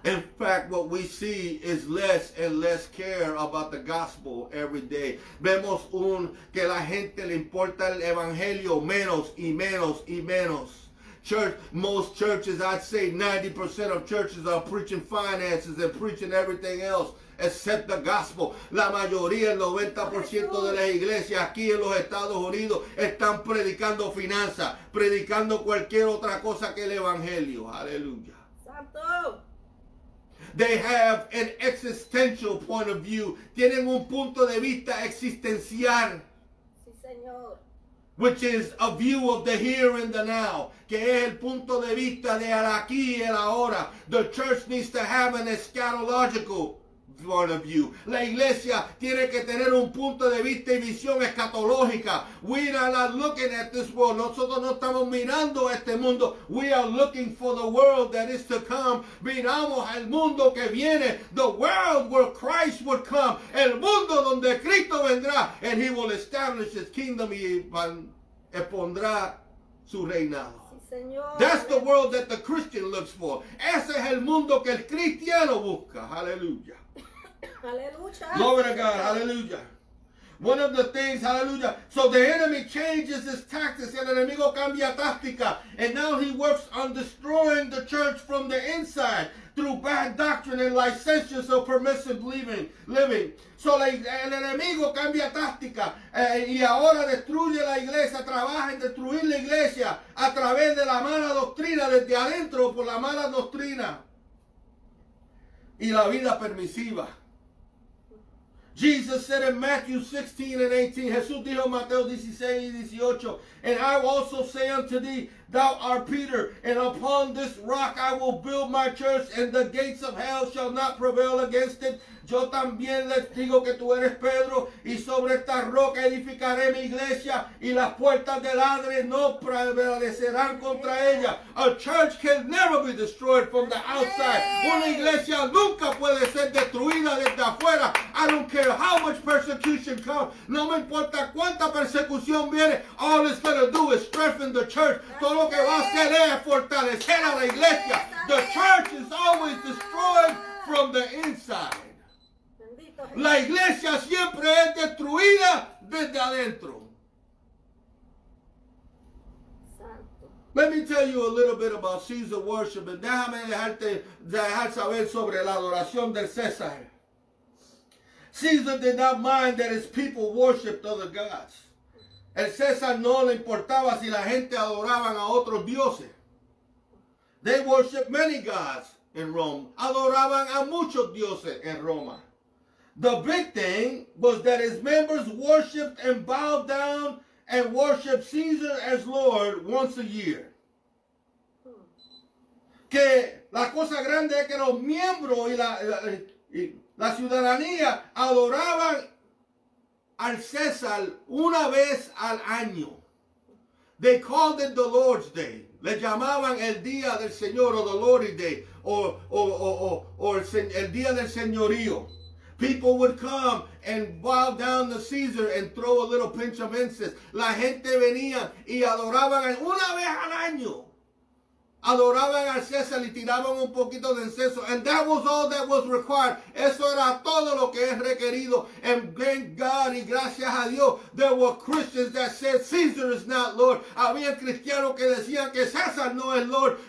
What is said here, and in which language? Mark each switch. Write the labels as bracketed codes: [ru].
[en] In fact, what we see is less and less care about the gospel every day. [es] Vemos que la gente le importa el evangelio menos y menos y menos. [en] Church, most churches, I'd say 90% of churches are preaching finances and preaching everything else except the gospel. [es] La mayoría, el 90% de las iglesias aquí en los Estados Unidos están predicando finanzas, predicando cualquier otra cosa que el evangelio. Aleluya. Santo. [en] They have an existential point of view. [es] Tienen un punto de vista existencial. Sí, señor. [en] Which is a view of the here and the now. [es] Que es el punto de vista de aquí y el ahora. [en] The church needs to have an eschatological point of view. [es] La iglesia tiene que tener un punto de vista y visión escatológica. [en] We are not looking at this world. [es] Nosotros no estamos mirando este mundo. [en] We are looking for the world that is to come. [es] Miramos al mundo que viene. [en] The world where Christ would come. [es] El mundo donde Cristo vendrá. [en] And he will establish his kingdom [es] y pondrá su reinado. [en] That's the world that the Christian looks for. [es] Ese es el mundo que el cristiano busca. [en] Hallelujah. Hallelujah. Glory to God. Hallelujah. One of the things, hallelujah. So the enemy changes his tactics. [es] El enemigo cambia táctica. [en] And now he works on destroying the church from the inside through bad doctrine and licentious or permissive living. [es] So el enemigo cambia táctica y ahora destruye la iglesia, trabaja en destruir la iglesia a través de la mala doctrina desde adentro por la mala doctrina y la vida permisiva. [en] Jesus said in Matthew 16 and 18, [es] Jesús dijo en Mateo 16 y 18, [en] and I will also say unto thee, thou art Peter, and upon this rock I will build my church, and the gates of hell shall not prevail against it. [es] Yo también les digo que tú eres Pedro, y sobre esta roca edificaré mi iglesia, y las puertas del Hades no prevalecerán contra ella. [en] A church can never be destroyed from the outside. [es] Una iglesia nunca puede ser destruida desde afuera. [en] I don't care how much persecution comes. [es] No me importa cuánta persecución viene. [en] All it's going to do is strengthen the church. [es] Todo lo que va a hacer es fortalecer a la iglesia. [en] The church is always destroyed from the inside. [es] La iglesia siempre es destruida desde adentro. [en] Let me tell you a little bit about Caesar worship. [es] Déjame dejar saber sobre la adoración del César. [en] Caesar did not mind that his people worshipped other gods. [es] El César no le importaba si la gente adoraban a otros dioses. [en] They worshipped many gods in Rome. [es] Adoraban a muchos dioses en Roma. [en] The big thing was that his members worshipped and bowed down and worshipped Caesar as Lord once a year. [es] Que la cosa grande es que los miembros y la ciudadanía adoraban al César una vez al año. They called it [en] the Lord's Day. [es] Le llamaban el Día del Señor o the Lord's Day el Día del Señorío. [en] People would come and bow down to Caesar and throw a little pinch of incense. [es] La gente venía y adoraban una vez al año. Adoraban al César y tiraban un poquito de incenso. [en] And that was all that was required. [es] Eso era todo lo que es requerido. [en] And thank God [es] y gracias a Dios, [en] there were Christians that said Caesar is not Lord. [es] Había cristianos que decían que César no es Lord.